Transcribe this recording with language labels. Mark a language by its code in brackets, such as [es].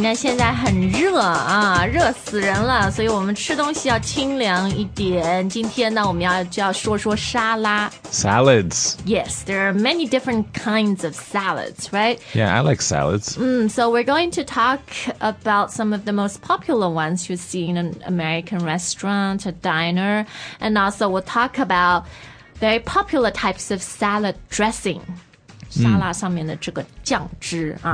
[zh] 那现在很热啊，热死人了，所以我们吃东西要清凉一点。今天呢，我们就要说说沙拉。 [en] Salads. Yes, there are many different kinds of salads, right? Yeah, I like salads. So we're going to talk about some of the most popular ones you see in an American restaurant, a diner. And also we'll talk about very popular types of salad dressing. [zh] 沙拉上面的这个酱汁啊